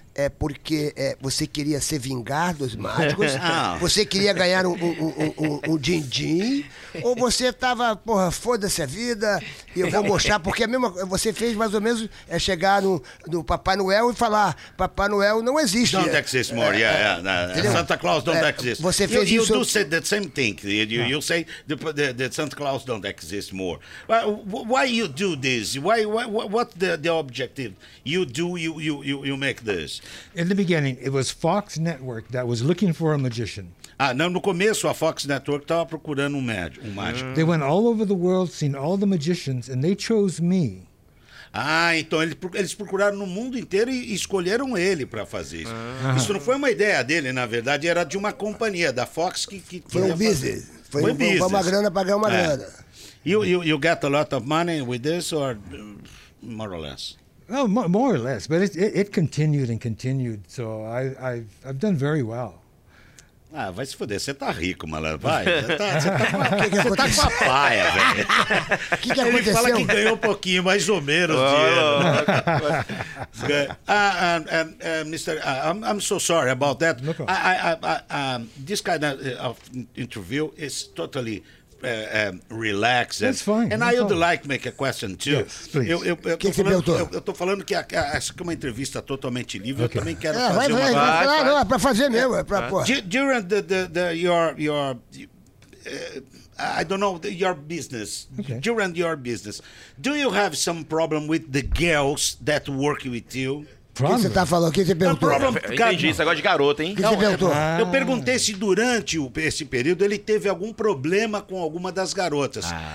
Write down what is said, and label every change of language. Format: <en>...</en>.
<pt>É porque você queria se vingar dos mágicos? Não. Você queria ganhar um din-din? Ou você tava, porra, foda-se a vida, e eu vou mostrar? Porque a mesma, você fez mais ou menos chegar no Papai Noel e falar: Papai Noel não existe.</pt> <en>Don't exist more, Santa Claus don't exist.</en> <pt>Você fez</pt> <en>you,</en> <pt>isso.</pt> <en>You do say the same thing. You say that Santa Claus don't exist more. Why you do this? What's the objective? You make this. In the beginning, it was Fox Network that was looking for a magician.</en> <pt>Ah, não, no começo, a Fox Network estava procurando um mágico.</pt> <en>They went all over the world, seen all the magicians, and they chose me.</en> <pt>Ah, então eles procuraram no mundo inteiro e escolheram ele para fazer isso. Uh-huh. Isso não foi uma ideia dele, na verdade, era de uma companhia, da Fox, que foi um business. Foi business. Foi uma grana pagar uma grana.</pt> <en>You get a lot of money with this, or more or less? Well, more or less, but it continued and continued, so I've done very well.</en> <pt>Ah, vai se fuder, você tá rico, malandro, vai. Você tá com a paia, velho. O que aconteceu? Ele fala que ganhou um pouquinho, mais ou menos, dinheiro.</pt> <en>Mr., I'm so sorry about that. No problem. This kind of interview is totally... relax. That's fine. And that's I would like to make a question too. Yes, please.</en> <pt>Eu tô falando que essa é uma entrevista totalmente livre. Okay. Eu também quero fazer vai, uma. Vai, vai, vai. Não, é pra fazer mesmo. É pra, pô.</pt> <en>During the your I don't know your business. Okay. During your business, do you have some problem with the girls that work with you? Problem.</en> <pt>O que você tá falando? O que você perguntou? Problem, entendi, isso agora de garota, hein? O que você perguntou? Eu perguntei se durante esse período ele teve algum problema com alguma das garotas.</pt>